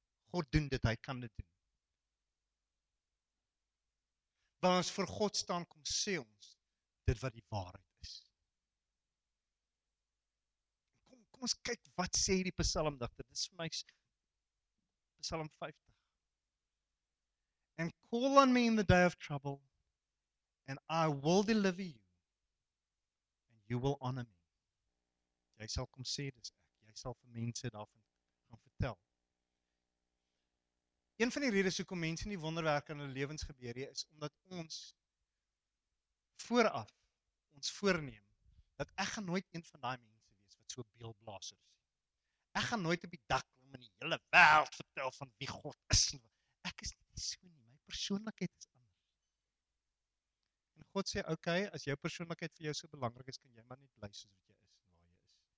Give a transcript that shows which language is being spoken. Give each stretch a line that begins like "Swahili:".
Afrikaans: God doen dit, hy kan dit doen. Wanneer ons voor God staan, kom sê ons dit wat die waarheid is. Kom, kom ons kyk wat sê hierdie psalmdigter. Dit is vir my Psalm 50.
English: And call on me in the day of trouble and I will deliver you. You will honor me.
Afrikaans: Jy sal kom sê dis ek. Jy sal vir mense daarvan gaan vertel. Een van die redes hoekom mense nie wonderwerke in hulle lewens gebeur nie is omdat ons vooraf ons voorneem dat ek gaan nooit een van daai mense wees wat so beeldblaser is. Ek gaan nooit op die dak klim en die hele wêreld vertel van wie God is. Ek is nie so nie. My persoonlikheid is God sê, okay, as jou persoonlikheid vir jou so belangrik is, kan jy maar net bly soos wat jy is en waar jy is.